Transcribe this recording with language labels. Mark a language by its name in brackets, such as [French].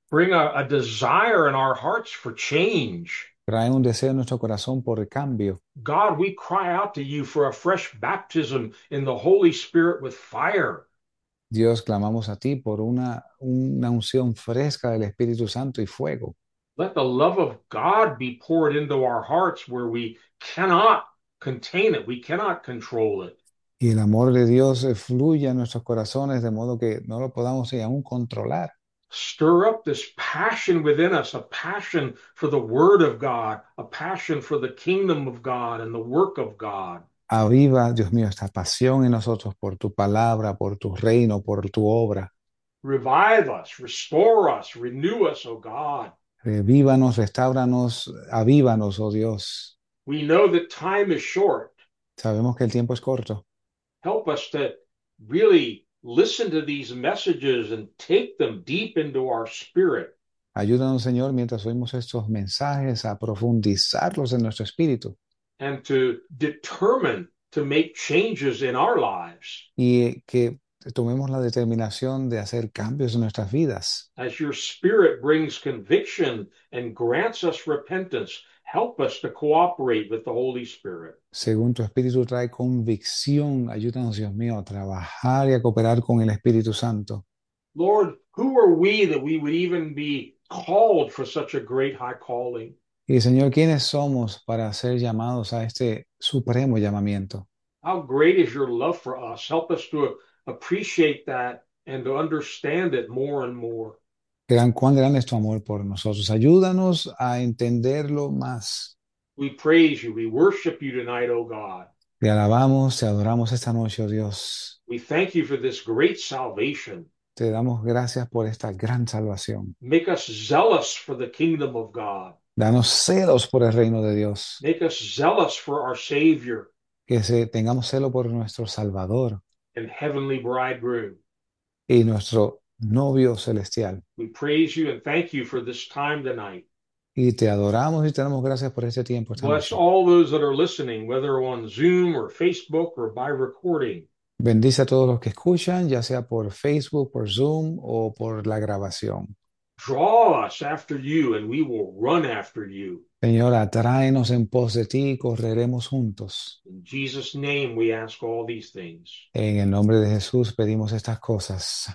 [English] Bring a desire in our hearts for change. [Spanish] Trae un deseo en nuestro corazón por el cambio. [English] God, we cry out to you for a fresh baptism in the Holy Spirit with fire. [Spanish] Dios, clamamos a ti por una unción fresca del Espíritu Santo y fuego. [English] Let the love of God be poured into our hearts where we cannot contain it, we cannot control it. [Spanish] Y el amor de Dios fluye en nuestros corazones de modo que no lo podamos ni aún controlar. [English] Stir up this passion within us, a passion for the word of God, a passion for the kingdom of God and the work of God. [Spanish] Aviva, Dios mío, esta pasión en nosotros por tu palabra, por tu reino, por tu obra. [English] Revive us, restore us, renew us, oh God. [Spanish] Revívanos, restáuranos, avívanos, oh Dios. [English] We know that time is short. [Spanish] Sabemos que el tiempo es corto. [English] Help us to really listen to these messages and take them deep into our spirit. [Spanish] Ayúdanos, Señor, mientras oímos estos mensajes a profundizarlos en nuestro espíritu. [English] And to determine to make changes in our lives. [Spanish] Y que tomemos la determinación de hacer cambios en nuestras vidas. [English] As your spirit brings conviction and grants us repentance, help us to cooperate with the Holy Spirit. [Spanish] Según tu espíritu trae convicción, ayúdanos, Dios mío, a trabajar y a cooperar con el Espíritu Santo. [English] Lord, who are we that we would even be called for such a great high calling? [Spanish] Y Señor, ¿quiénes somos para ser llamados a este supremo llamamiento? [English] How great is your love for us? Help us to appreciate that and to understand it more and more. [Spanish] ¿Cuán grande es tu amor por nosotros? Ayúdanos a entenderlo más. [English] We praise you. We worship you tonight, oh God. [Spanish] Te alabamos, te adoramos esta noche, oh Dios. [English] We thank you for this great salvation. [Spanish] Te damos gracias por esta gran salvación. [English] Make us zealous for the kingdom of God. [Spanish] Danos celos por el reino de Dios. [English] Make us zealous for our Savior. [Spanish] Que tengamos celo por nuestro Salvador [English] And heavenly bridegroom. [Spanish] y nuestro novio celestial. [English] We praise you and thank you for this time tonight. [Spanish] Y te adoramos y te damos gracias por este tiempo esta [English] Bless [Spanish] noche. [English] all those that are listening, whether on Zoom or Facebook or by recording. [Spanish] Bendice a todos los que escuchan, ya sea por Facebook, por Zoom o por la grabación. [English] Draw us after you and we will run after you. [Spanish] Señor, atráenos en pos de ti y correremos juntos. [English] In Jesus' name, we ask all these things. [Spanish] En el nombre de Jesús pedimos estas cosas.